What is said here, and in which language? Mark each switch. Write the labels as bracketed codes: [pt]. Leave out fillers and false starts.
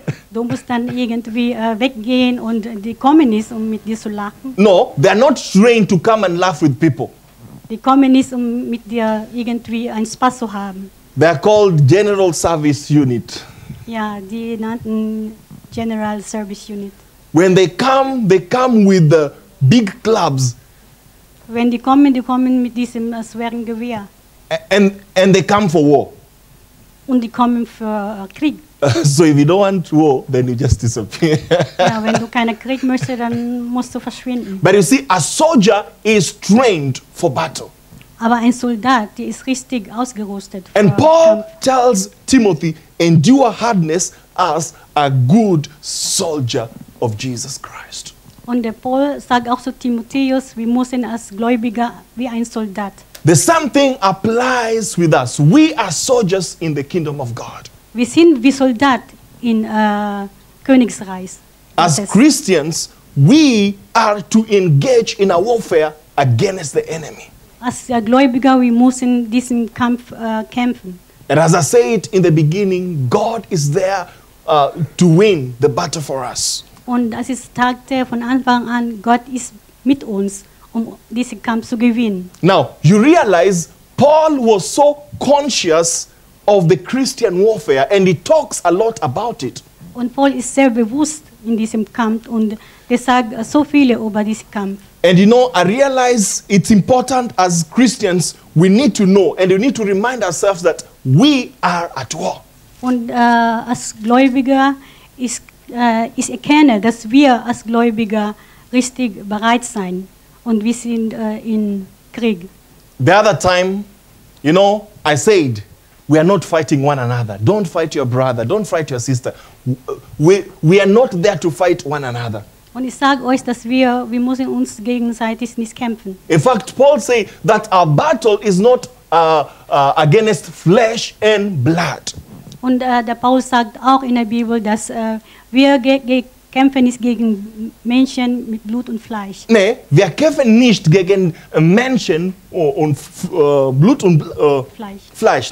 [de] Du musst dann irgendwie weggehen und die kommen nicht, um mit dir zu lachen. [en] No, they are not trained to come and laugh with people. [de] Die kommen nicht, um mit dir irgendwie einen Spaß zu haben. [en] They are called General Service Unit. [de] Ja, die nannten General Service Unit. [en] When they come with the big clubs. [de] Wenn die kommen mit diesem schweren Gewehr. [en] And they come for war. [de] Und die kommen für Krieg. [en] So if you don't want war, then you just disappear. [de] Ja, wenn du keinen Krieg möchtest, dann musst du verschwinden. [en] But you see, a soldier is trained for battle. [de] Aber ein Soldat, der ist richtig ausgerüstet. [en] And Paul tells Timothy, endure hardness as a good soldier of Jesus Christ. [de] Und der Paul sagt auch zu Timotheus, wir müssen als Gläubiger wie ein Soldat. [en] The same thing applies with us. We are soldiers in the kingdom of God. [de] Wir sind wie Soldaten in Königsreich. [en] As Christians, we are to engage in a warfare against the enemy. [de] Als Gläubiger, wir müssen diesen Kampf kämpfen. [en] And as I said in the beginning, God is there to win the battle for us. [de] Und das ist sagte von Anfang an, Gott ist mit uns, um diesen Kampf zu gewinnen. [en] Now, you realize, Paul was so conscious of the Christian warfare, and he talks a lot about it. [de] Und Paul ist sehr bewusst in diesem Kampf und er sagt so viele über diesen Kampf. [en] And you know, I realize it's important as Christians, we need to know and we need to remind ourselves that we are at war. [de] Und als Gläubiger ist erkenne, dass wir als Gläubiger richtig bereit sein und wir sind in Krieg. [en] The other time, you know, I said, we are not fighting one another. Don't fight your brother. Don't fight your sister. We are not there to fight one another. [de] Und ich sage euch, dass wir müssen uns gegenseitig nicht kämpfen. [en] In fact, Paul say that our battle is not against flesh and blood. [de] Und der Paul sagt auch in der Bibel, dass wir kämpfen nicht gegen Menschen mit Blut und Fleisch. Nee, wir kämpfen nicht gegen Menschen und Blut und Fleisch.